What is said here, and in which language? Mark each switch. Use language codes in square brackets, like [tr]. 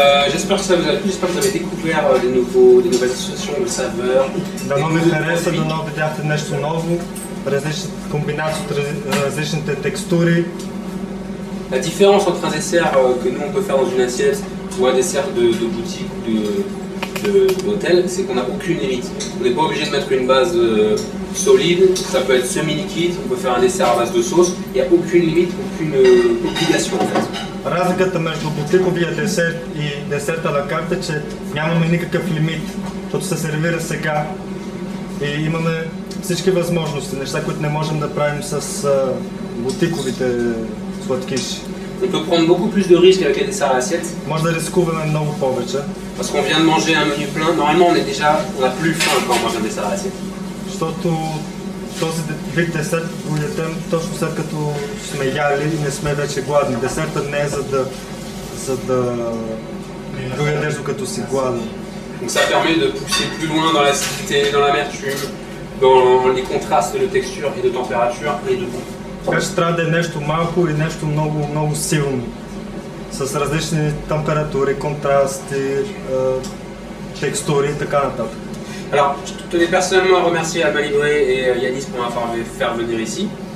[fr] J'espère que ça vous a plu, j'espère que vous avez découvert des nouvelles associations de saveurs. [bg] Да ви интересува, да видяхте нещо ново, различни комбинации от различните текстури. [fr] La différence entre un dessert que nous on peut faire dans une assiette ou un dessert de boutique ou d'hôtel, c'est qu'on n'a aucune limite. On n'est pas obligé de mettre une base solide, ça peut être semi-liquide, on peut faire un dessert à base de sauce, il n'y a aucune limite, aucune obligation en fait. [bg] Разликата между бутиковия десерт и десерта на карта е, че нямаме никакъв лимит, защото се сервира сега и имаме всички възможности, неща, които не можем да правим с бутиковите сладкиши. [fr] On peut prendre beaucoup plus de risques avec les desserts à l'assiette. [bg] Може да рискуваме много повече. [fr] Parce qu'on vient de manger un menu plein, normalement on a plus faim quand on mange un dessert à l'assiette. [bg] Защото този вид десерт го ядем точно след като сме яли и не сме вече гладни. Десертът не е за да го ядеш докато си гладен. [fr] Donc ça permet de pousser plus loin dans l'acidité, dans l'amertume, dans les contrastes de texture et de température et de goût. [bg] Така ще трябва да е нещо малко и нещо много, много силно. С различни температури, контрасти, текстури и така нататък. [fr] Alors, je tenais personnellement à remercier Alma Libre et Yanis pour m'avoir fait venir ici.